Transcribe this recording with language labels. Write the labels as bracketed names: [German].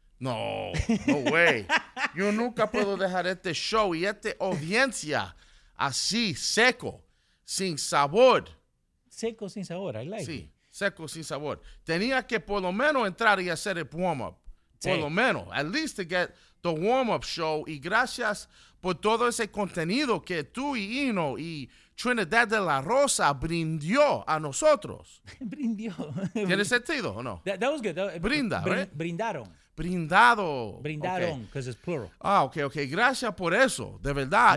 [English] No way. [Spanish] Yo nunca puedo dejar este show y esta audiencia así, seco, sin sabor. Seco, sin sabor, [English] I like [Spanish] it. Sí. Seco, sin sabor. Tenía que por lo menos entrar y hacer el warm-up. Sí. Por lo menos. [English] At least to get the warm-up show. [Spanish] Y gracias por todo ese contenido que tú y Hino y Trinidad de la Rosa brindió a nosotros. Brindió. ¿Tiene sentido o no? [English] That was good. [Spanish] Brinda, right? Brindaron. Brindado. [English] Brindaron, because it's plural. [Spanish] Ah, ok. Gracias por eso, de verdad.